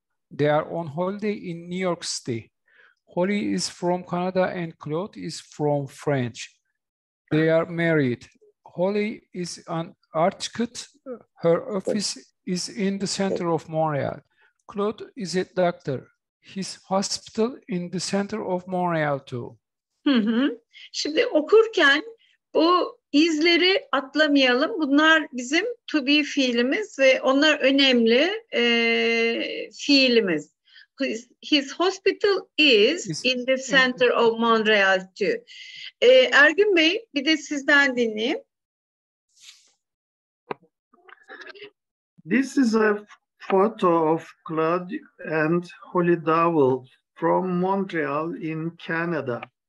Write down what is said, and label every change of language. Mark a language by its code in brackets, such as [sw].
[en] They are on holiday in New York City. Holly is from Canada and Claude is from France. They are married. Holly is an architect. Her office is in the center of Montreal. Claude is a doctor. His hospital in the center of Montreal too. [tr] Şimdi okurken bu izleri atlamayalım. Bunlar bizim to be fiilimiz ve onlar önemli fiilimiz. [en] His hospital is in the center of Montreal too. [tr] Ergün Bey, bir de sizden dinleyeyim. [en] This is a photo of Claude and Holly Duell from Montreal in Canada.